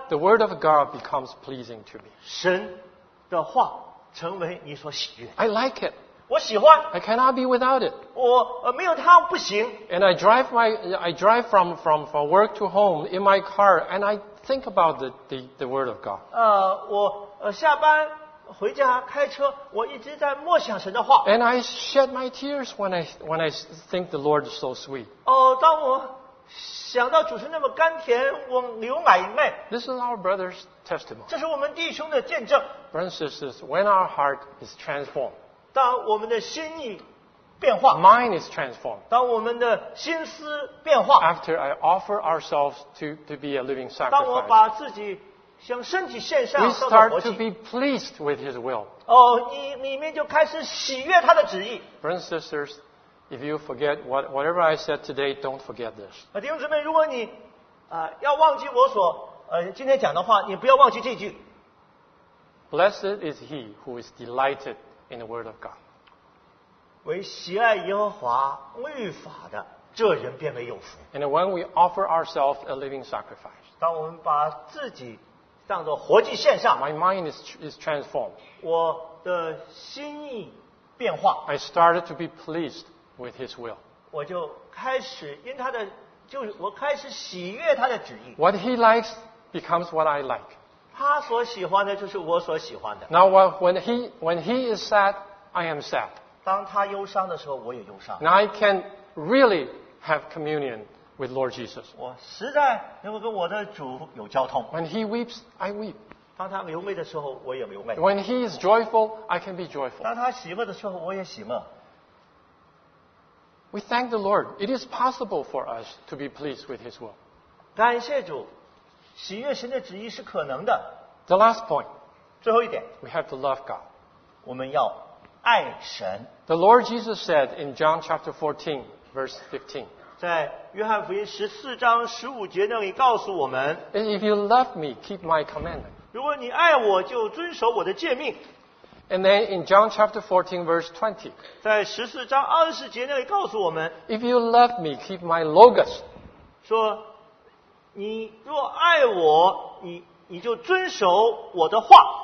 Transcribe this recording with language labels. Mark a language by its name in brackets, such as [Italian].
[English] The word of God becomes pleasing to me. [Chinese] 神的话成为你所喜悦。 [English] I like it. [Chinese] 我喜欢。 [English] I cannot be without it. [Chinese] 我没有它不行。 [English] And I drive from work to home in my car, and I think about the word of God. [Chinese] 下班回家开车，我一直在默想神的话。 [English] And I shed my tears when I think the Lord is so sweet. [Chinese] 当我想到主是那么甘甜，我流奶妹。 [English] This is our brother's testimony. [Chinese] 这是我们弟兄的见证。 [English] Brothers and sisters, when our heart is transformed. [Chinese] 当我们的心意变化。 [English] Mind is transformed. [Chinese] 当我们的心思变化。 [English] After I offer ourselves to be a living sacrifice. [Chinese] 当我把自己向身体献上。 [English] We start to be pleased with His will. [Chinese] 里面就开始喜悦他的旨意。 [English] Brothers and sisters, if you forget whatever I said today, don't forget this. [Chinese] 弟兄姊妹，如果你要忘记我所今天讲的话，你不要忘记这句。 [English] Blessed is he who is delighted in the word of God. [Chinese] 为喜爱耶和华律法的，这人变为有福。 [English] And when we offer ourselves a living sacrifice, [Chinese] 当我们把自己当作活祭献上， [English] my mind is transformed. [Chinese] 我的心意变化。 [English] I started to be pleased with His will. [Chinese] 我就开始因他的，就我开始喜悦他的旨意。 [English] What He likes becomes what I like. [Chinese] 他所喜欢的就是我所喜欢的。 [English] Now when he is sad, I am sad. [Chinese] 当他忧伤的时候，我也忧伤。 [English] Now I can really have communion with Lord Jesus. [Chinese] 我实在能够跟我的主有交通。 [English] When he weeps, I weep. [Chinese] 当他流泪的时候，我也流泪。 [English] When he is joyful, I can be joyful. [Chinese] 当他喜乐的时候，我也喜乐。 [English] We thank the Lord. It is possible for us to be pleased with His will. [Chinese] 感谢主，喜悦神的旨意是可能的。 [English] The last point. [Chinese] 最后一点。 [English] We have to love God. [Chinese] 我们要。爱神。 [English] The Lord Jesus said in John chapter 14, verse 15. [Chinese] 在约翰福音十四章十五节那里告诉我们。 [English] If you love me, keep my commandment. [Chinese] 如果你爱我，就遵守我的诫命。 [English] And then in John chapter 14, verse 20. [Chinese] 在十四章二十节那里告诉我们。 [English] If you love me, keep my logos. [Chinese] 说，你若爱我，你就遵守我的话。